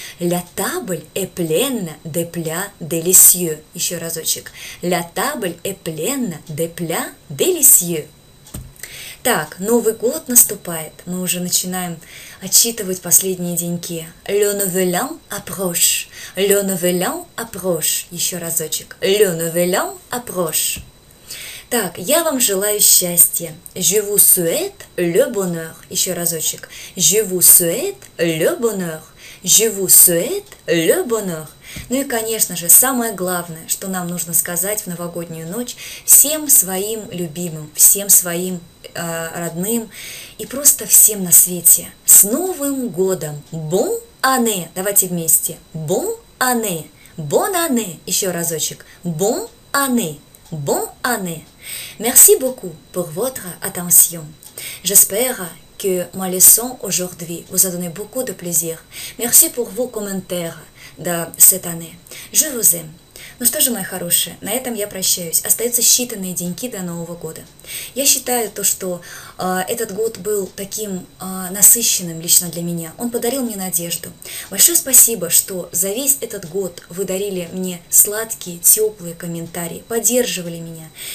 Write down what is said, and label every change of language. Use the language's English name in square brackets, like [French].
[French] La table est pleine de plats délicieux. [Russian] Еще разочек. [French] La table est pleine de plats délicieux. [Russian] Так, Новый год наступает. Мы уже начинаем отчитывать последние деньки. [French] Le Nouvel An approche. Le Nouvel An approche. [Russian] Еще разочек. [French] Le Nouvel An approche. [Russian] Так, я вам желаю счастья. [French] Je vous souhaite le bonheur. [Russian] Еще разочек. [French] Je vous souhaite le bonheur. Je vous souhaite le bonheur. [Russian] Ну и, конечно же, самое главное, что нам нужно сказать в новогоднюю ночь всем своим любимым, всем своим родным и просто всем на свете. С Новым годом! [French] Bon année! [Russian] Давайте вместе. [French] Bon année! Bon année! [Russian] Еще разочек. [French] Bon année! Bon année! Merci beaucoup pour votre attention. J'espère que ma leçon aujourd'hui vous a donné beaucoup de plaisir. Merci pour vos commentaires de cette année. Je vous aime. [Russian] Ну что же, мои хорошие, на этом я прощаюсь. Остаются считанные деньки до Нового года. Я считаю то, что этот год был таким насыщенным лично для меня. Он подарил мне надежду. Большое спасибо, что за весь этот год вы дарили мне сладкие, теплые комментарии, поддерживали меня.